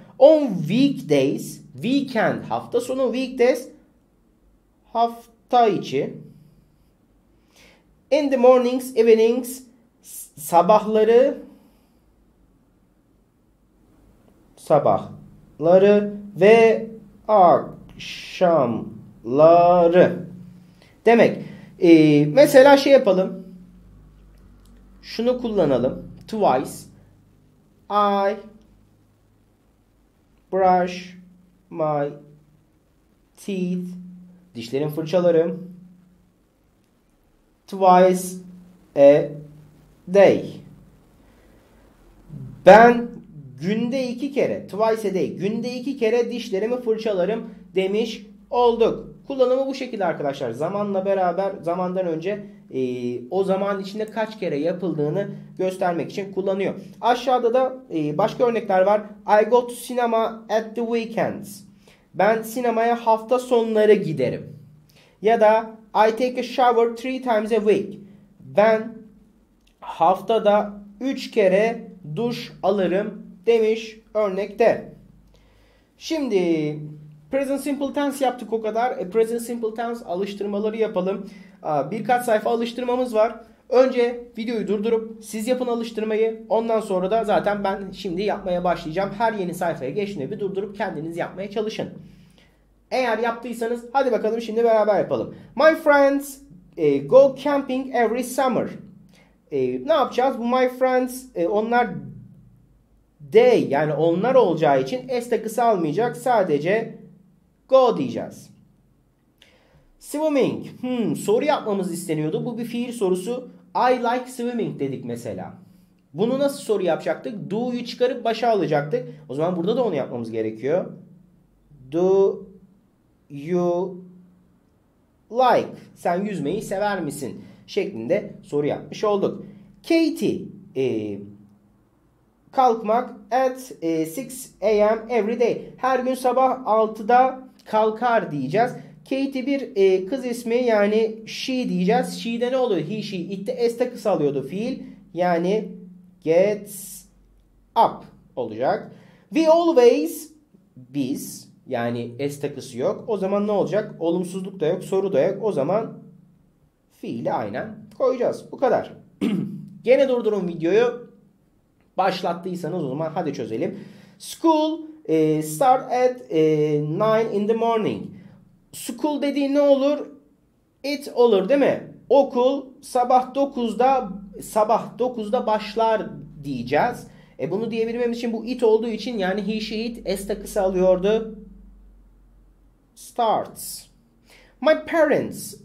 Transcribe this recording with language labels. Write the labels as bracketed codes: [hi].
[en] On weekdays, weekend, [tr] hafta sonu [en] weekdays. [tr] Hafta içi. [en] In the mornings, evenings, [tr] sabahları, sabahları ve akşamları. Demek mesela şey yapalım. şunu kullanalım. [en] Twice. I brush my teeth. [tr] Dişlerimi fırçalarım. [en] Twice a day. [tr] Ben günde iki kere, [en] twice a day, [tr] günde iki kere dişlerimi fırçalarım demiş olduk. Kullanımı bu şekilde arkadaşlar. Zamanla beraber, zamandan önce o zaman içinde kaç kere yapıldığını göstermek için kullanıyor. Aşağıda da başka örnekler var. [en] I go to cinema at the weekends. [tr] Ben sinemaya hafta sonları giderim. Ya da [en] I take a shower 3 times a week. [tr] Ben haftada 3 kere duş alırım demiş örnekte. Şimdi present simple tense yaptık o kadar. Present simple tense alıştırmaları yapalım. Birkaç sayfa alıştırmamız var. Önce videoyu durdurup siz yapın alıştırmayı. Ondan sonra da zaten ben şimdi yapmaya başlayacağım. Her yeni sayfaya geçtiğinde bir durdurup kendiniz yapmaya çalışın. Eğer yaptıysanız hadi bakalım şimdi beraber yapalım. [en] My friends go camping every summer. [tr] Ne yapacağız? Bu my friends onlar they yani onlar olacağı için s de kısalmayacak. Sadece go diyeceğiz. Swimming. Soru yapmamız isteniyordu. Bu bir fiil sorusu. [en] I like swimming [tr] dedik mesela. Bunu nasıl soru yapacaktık? Do'yu çıkarıp başa alacaktık. O zaman burada da onu yapmamız gerekiyor. [en] Do you like? [tr] Sen yüzmeyi sever misin? Şeklinde soru yapmış olduk. [en] Katie. [tr] Kalkmak [en] at 6 a.m. every day. [tr] Her gün sabah 6'da kalkar diyeceğiz. Katie bir kız ismi yani she diyeceğiz. She'de ne oluyor? He, she. İtte s'te kısalıyordu fiil. Yani gets up olacak. We always biz yani s takısı yok. O zaman ne olacak? Olumsuzluk da yok. Soru da yok. O zaman fiili aynen koyacağız. Bu kadar. Gene durdurun videoyu. Başlattıysanız o zaman hadi çözelim. [en] School start at 9 in the morning. [tr] School dediği ne olur? It olur değil mi? Okul sabah 9'da başlar diyeceğiz. Bunu diyebilmemiz için bu it olduğu için yani he she it s takısı alıyordu. Starts. My parents.